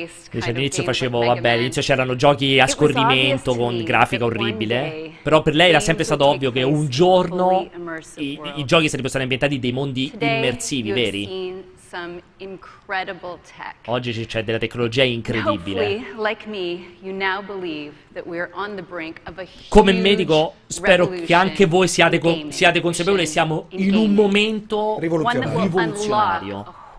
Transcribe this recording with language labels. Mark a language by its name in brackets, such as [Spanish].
[Italian] Dice, all'inizio facevo, vabbè, all'inizio c'erano giochi a scorrimento con grafica orribile, però per lei era sempre stato ovvio che un giorno i giochi sarebbero stati ambientati in dei mondi immersivi, veri. [English] some incredible tech. [Italian] Oggi c'è della tecnologia incredibile. [English] Hopefully, like me, you now believe that we are on the brink of a huge revolution. [Italian] Come medico, spero che anche voi siate consapevoli che siamo in un momento rivoluzionario.